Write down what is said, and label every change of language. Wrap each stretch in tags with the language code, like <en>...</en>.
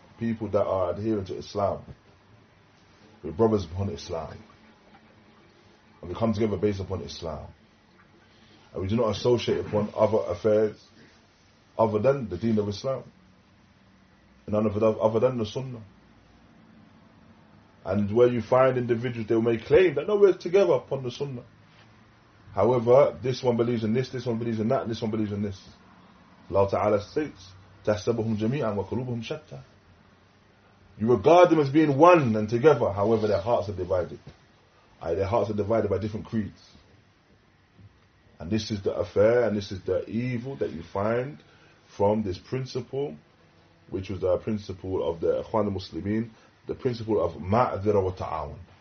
<en>people that are adhering to Islam, we're brothers upon Islam, and we come together based upon Islam, and we do not associate upon other affairs other than the deen of Islam, and none of it other than the sunnah. And where you find individuals, they may claim that no, we're together upon the sunnah. However, this one believes in this, this one believes in that, and this one believes in this. Allah Ta'ala states,</en> <ar>تَحْسَبُهُمْ جَمِيعًا وَقُلُوبُهُمْ شَتَّى.</ar> <en>You regard them as being one and together, however their hearts are divided. Their hearts are divided by different creeds. And this is the affair, and this is the evil that you find from this principle, which was the principle of the Ikhwan al-Muslimin, the principle of مَعْذِرَ وَتَعَاوَن.</en>